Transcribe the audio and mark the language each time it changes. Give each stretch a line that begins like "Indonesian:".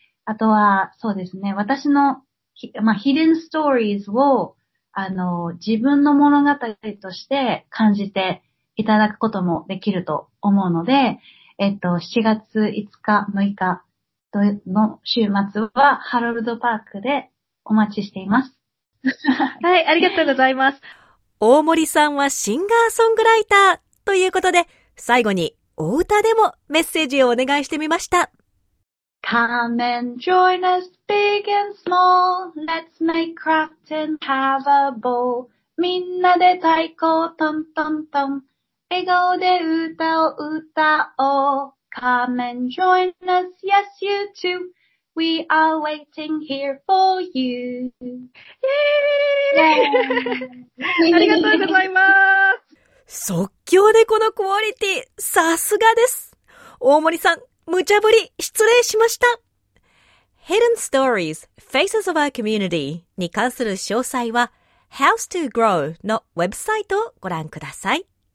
Japanese: あとは、そうですね、私の、ヒデンストーリーズを、自分の物語として感じていただくこともできると思うので、7月5日、6日の週末は、ハロルドパークでお待ちしています。はい、ありがとうございます。大森さんはシンガーソングライターということで、最後にお歌でもメッセージをお願いしてみました。
English: Come and join us big and small. Let's make craft and have a ball.
Japanese: みんなで太鼓をトントントン。笑顔で歌を歌おう。
English: Come and join us, yes you too. We are waiting here for you.
Japanese: ありがとうございます。即興でこのクオリティ、さすがです。大森さん、無茶ぶり、失礼しました。Hidden Stories, Faces of Our Community に関する詳細は、House to Grow のウェブサイトをご覧ください。